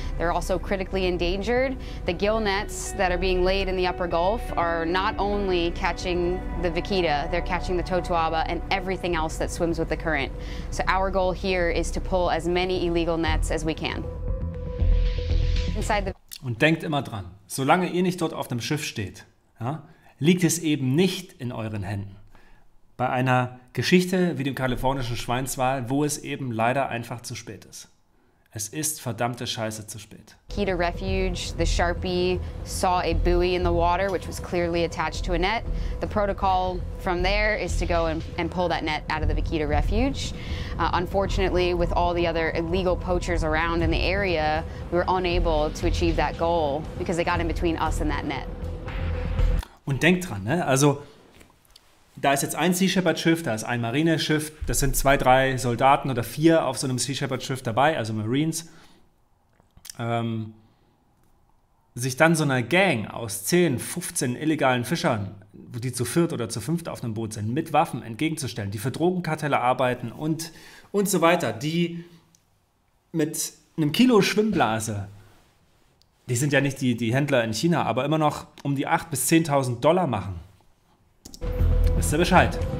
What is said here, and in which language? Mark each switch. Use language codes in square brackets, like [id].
[en] They're also critically endangered. The gill nets that are being laid in the Upper Gulf are not only catching the Vaquita, they're catching the Totoaba and everything else that swims with the current. So our goal here is to pull as many illegal nets as we can. [de] Und denkt immer dran, solange ihr nicht dort auf dem Schiff steht, ja, liegt es eben nicht in euren Händen. Bei einer Geschichte wie dem kalifornischen Schweinswal, wo es eben leider einfach zu spät ist. Es ist verdammte Scheiße zu spät. [en] Vaquita Refuge, the Sharpie, saw a buoy in the water, which was clearly attached to a net. The protocol from there is to go and pull that net out of the Vaquita Refuge. Unfortunately, with all the other illegal poachers around in the area, we were unable to achieve that goal because they got in between us and that net. [de] Und denkt dran, ne? Also da ist jetzt ein Sea Shepherd Schiff, da ist ein Marineschiff, das sind 2-3 Soldaten oder 4 auf so einem Sea Shepherd Schiff dabei, also Marines. Sich dann so einer Gang aus 10, 15 illegalen Fischern, die zu viert oder zu fünft auf einem Boot sind, mit Waffen entgegenzustellen, die für Drogenkartelle arbeiten und so weiter, die mit einem Kilo Schwimmblase, die sind ja nicht die Händler in China, aber immer noch um die 8.000 bis 10.000 Dollar machen. Wisst ihr Bescheid?